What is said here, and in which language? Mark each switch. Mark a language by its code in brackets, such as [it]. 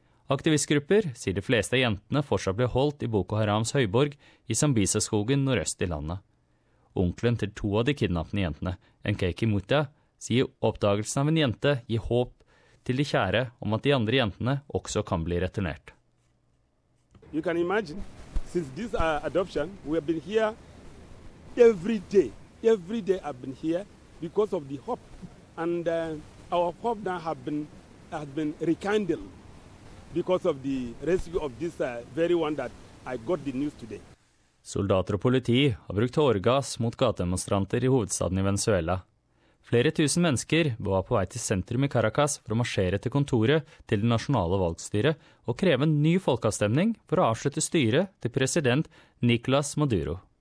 [no] Aktivistgrupper sier de fleste av jentene fortsatt ble holdt I Boko Harams høyborg I Sambisa-skogen nordøst I landet. Onkelen til 2 av de kidnappende jentene, Nkeki Muta, sier oppdagelsen av en jente gir håp til de kjære om at de andre jentene også kan bli returnert. [en] You can imagine, since this adoption, we have been here every day. Every day I've been here because of the hope. And our hope now has been rekindled because of the rescue of this very one that I got the news today. [no] Soldater og politi har brukt tåregass mot gatedemonstranter I hovedstaden I Venezuela. Flere tusen mennesker var på vei til sentrum I Caracas for å marsjere til kontoret til det nasjonale valgstyret og kreve en ny folkeavstemning for å avslutte styret til president Nicolas Maduro.